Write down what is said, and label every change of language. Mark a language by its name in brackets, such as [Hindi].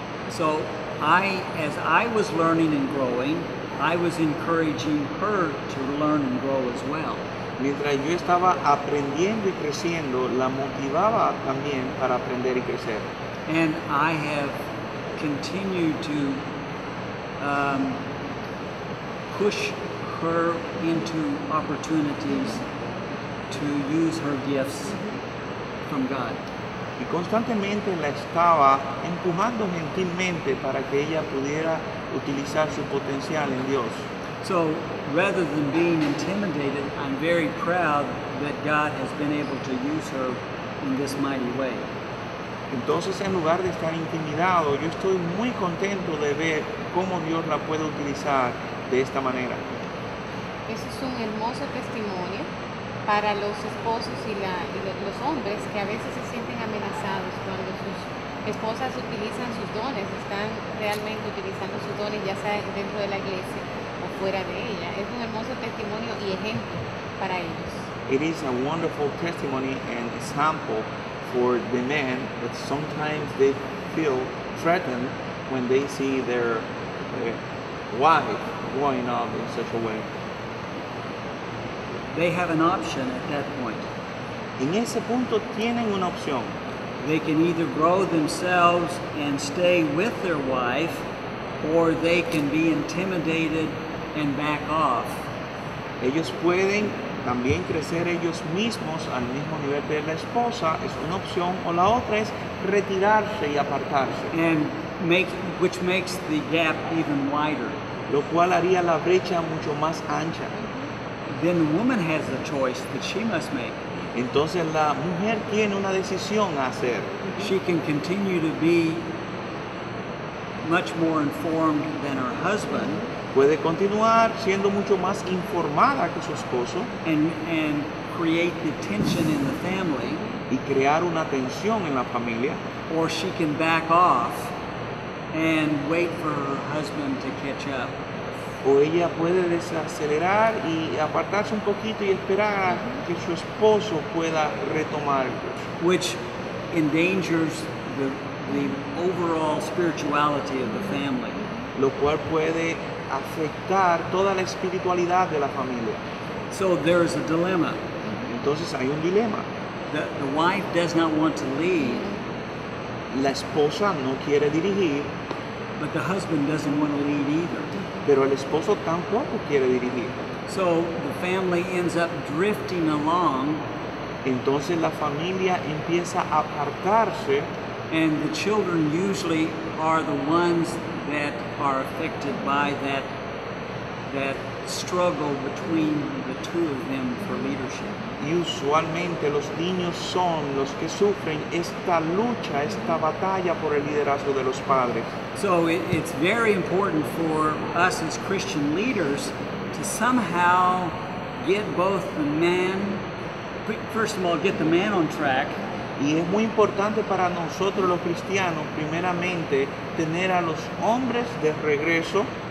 [English] So, as I was learning and growing, I was encouraging her to learn and grow as well. [Spanish] Mientras yo estaba aprendiendo y creciendo, la motivaba también para aprender y crecer. [English] And I have continued to push her into opportunities to use her gifts from God. [Spanish] Y constantemente la estaba empujando gentilmente para que ella pudiera utilizar su potencial en Dios. [English] So, rather than being intimidated, I'm very proud that God has been able to use her in this mighty way. [Spanish] Entonces, en lugar de estar intimidado, yo estoy muy contento de ver cómo Dios la puede utilizar de esta manera. Ese es un hermoso testimonio para los esposos y los hombres que a veces se sienten amenazados cuando sus esposas utilizan sus dones, están realmente utilizando sus dones, ya sea dentro de la iglesia o fuera de ella. Es un hermoso testimonio y ejemplo para ellos. [English] It is a wonderful testimony and example for the men, but sometimes they feel threatened when they see their wife going on in such a way. They have an option at that point. [Spanish] En ese punto tienen una opción. [English] They can either grow themselves and stay with their wife, or they can be intimidated and back off. [Spanish] Ellos pueden también crecer ellos mismos al mismo nivel de la esposa, es una opción, o la otra es retirarse y apartarse. [English] And which makes the gap even wider. [Spanish] Lo cual haría la brecha mucho más ancha. [English] Then the woman has the choice that she must make. [Spanish] Entonces la mujer tiene una decisión a hacer. [English] She can continue to be much more informed than her husband. [Spanish] Puede continuar siendo mucho más informada que su esposo. [English] And create the tension in the family. [Spanish] Y crear una tensión en la familia. [English] Or she can back off and wait for her husband to catch up. [Spanish] O ella puede desacelerar y apartarse un poquito y esperar a que su esposo pueda retomar. [English] Which endangers the overall spirituality of the family. [Spanish] Lo cual puede afectar toda la espiritualidad de la familia. [English] So there is a dilemma. [Spanish] Entonces hay un dilema. [English] The wife does not want to lead. [Spanish] La esposa no quiere dirigir. [English] But the husband doesn't want to lead either. [Spanish] Pero el esposo tampoco quiere dirigir. [English] So the family ends up drifting along. [Spanish] Entonces la familia empieza a apartarse. [English] And the children usually are the ones that are affected by that struggle between the two of them for leadership. [Spanish] Y usualmente los niños son los que sufren esta lucha, esta batalla por el liderazgo de los padres. [English] So it's very important for us as Christian leaders to somehow get both the man, first of all, get the man on track. [Spanish] Y es muy importante para nosotros los cristianos, primeramente, tener a los hombres de regreso.